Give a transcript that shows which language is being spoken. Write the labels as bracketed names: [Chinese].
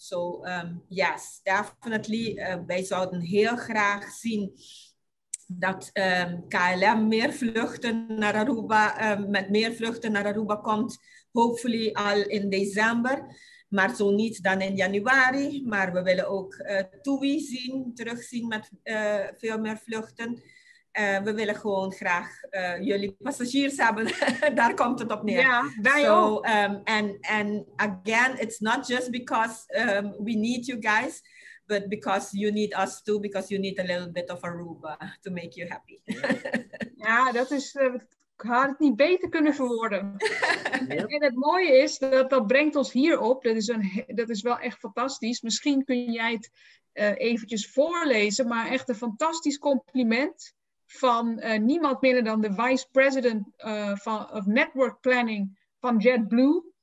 [Dutch] So, yes, definitely. Wij zouden heel graag zien dat KLM meer vluchten naar Aruba, met meer vluchten naar Aruba komt, hopefully al in december, maar zo niet dan in januari. Maar we willen ook TUI zien, terugzien met veel meer vluchten. We willen gewoon graag jullie passagiers hebben. Daar komt het op neer. Ja, wij ook. [English] And again, it's not just because we need you guys, but because you need us too, because you need a little bit of Aruba to make you happy. [Dutch] Ja, dat is, ik had het niet beter kunnen verwoorden. Yep. En het mooie is, dat brengt ons hier op. Dat is wel echt fantastisch. Misschien kun jij het eventjes voorlezen, maar echt een fantastisch compliment van niemand minder dan de vice president of network planning van JetBlue.